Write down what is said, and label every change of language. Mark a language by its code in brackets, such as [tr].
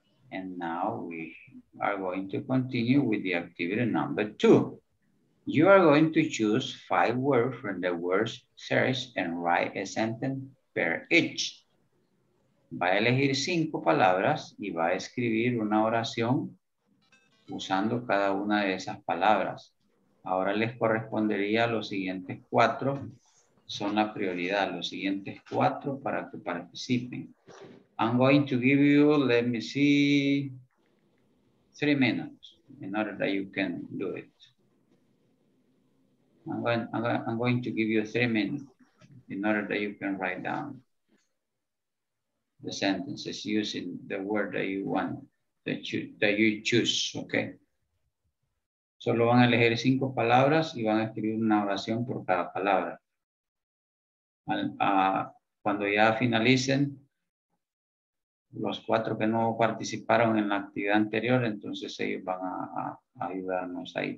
[en] And now we are going to continue with the activity number two. You are going to choose 5 words from the words search and write a sentence per each. [es] Va a elegir 5 palabras y va a escribir una oración usando cada una de esas palabras. Ahora les correspondería a los siguientes 4. Son la prioridad, los siguientes 4 para que participen. [en] I'm going to give you, let me see, 3 minutes in order that you can do it. I'm going to give you 3 minutes in order that you can write down the sentences using the word that you want, that you choose, okay? [es] Solo van a elegir 5 palabras y van a escribir una oración por cada palabra. Cuando ya finalicen, los 4 que no participaron en la actividad anterior, entonces ellos van a ayudarnos ahí.